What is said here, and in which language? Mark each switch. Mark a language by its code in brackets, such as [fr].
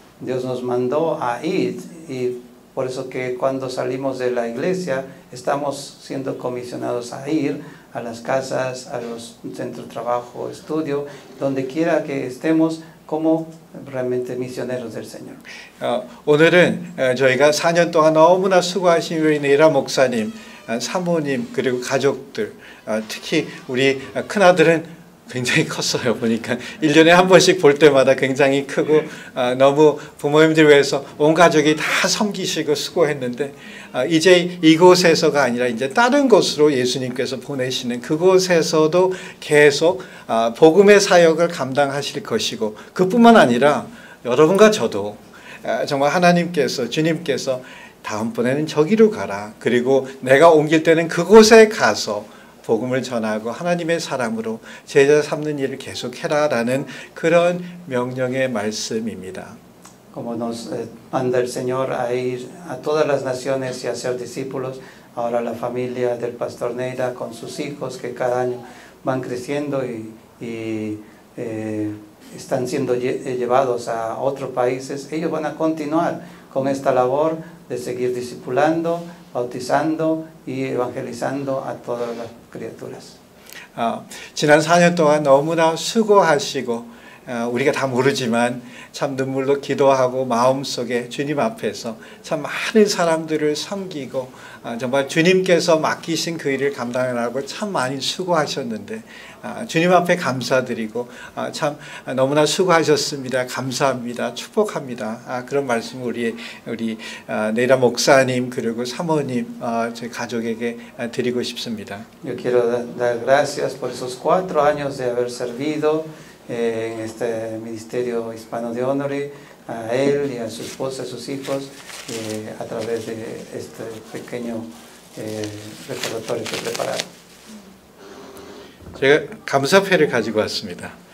[es] Dios nos mandó a ir y por eso que cuando salimos de la iglesia estamos siendo comisionados a ir a las casas, a los centros de trabajo, estudio, donde quiera que estemos como realmente misioneros del Señor. [ko] 오늘은 저희가 4년 동안 너무나 수고하신 우리 네라 목사님, 사모님 그리고 가족들, 특히 우리 큰 아들은 굉장히 컸어요. 보니까 1년에 한 번씩 볼 때마다 굉장히 크고 너무 부모님들 위해서 온 가족이 다 섬기시고 수고했는데 이제 이곳에서가 아니라 이제 다른 곳으로 예수님께서 보내시는 그곳에서도 계속 복음의 사역을 감당하실 것이고 그뿐만 아니라 여러분과 저도 정말 하나님께서 주님께서 다음번에는 저기로 가라 그리고 내가 옮길 때는 그곳에 가서 복음을 전하고 하나님의 사람으로 제자 삼는 일을 계속해라라는 그런 명령의 말씀입니다. [es] Como nos manda el Señor a ir a todas las naciones y a ser discípulos, ahora la familia del pastor Neira con sus hijos que cada año van creciendo y están siendo llevados a otros países, ellos van a continuar con esta labor de seguir discipulando, bautizando y evangelizando a todas las criaturas. [ko] 지난 4년 동안 너무나 수고하시고 우리가 다 모르지만 참 눈물로 기도하고 마음속에 주님 앞에서 참 많은 사람들을 섬기고 정말 주님께서 맡기신 그 일을 감당하라고 참 많이 수고하셨는데 주님 앞에 감사드리고 참 너무나 수고하셨습니다. 감사합니다. 축복합니다. 그런 말씀 우리 네라 목사님 그리고 사모님 저희 가족에게 드리고 싶습니다. [es] Yo quiero dar gracias por esos cuatro años de haber servido en este ministerio hispano de honor a él y a su esposa, a sus hijos, a través de este pequeño recordatorio que prepararon. [ko] 제가 감사패를 가지고 왔습니다.